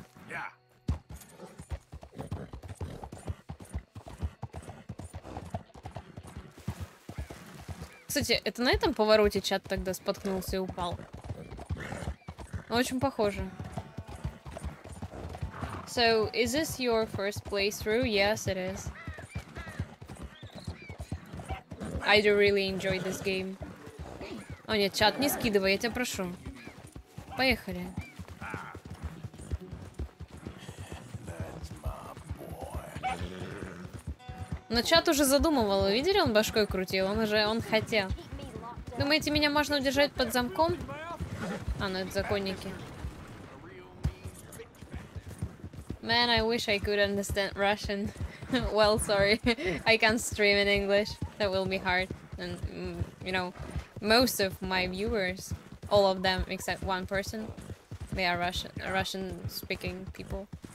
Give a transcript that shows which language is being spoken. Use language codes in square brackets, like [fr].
[en] Yeah. [ru] Кстати, это на этом повороте чат тогда споткнулся и упал. Очень похоже. [en] So, is this your first playthrough? Yes, it is. I do really enjoy this game. [ru] О, нет, чат, не скидывай, я тебя прошу. Поехали. Но чат уже задумывал, видели, он башкой крутил, он хотел. Думаете, меня можно удержать под замком? Ну это законники. [en] Man, I wish I could understand Russian. Well, sorry. I can't stream in English. That will be hard. And, you know, most of my viewers, all of them except one person, they are Russian-speaking people.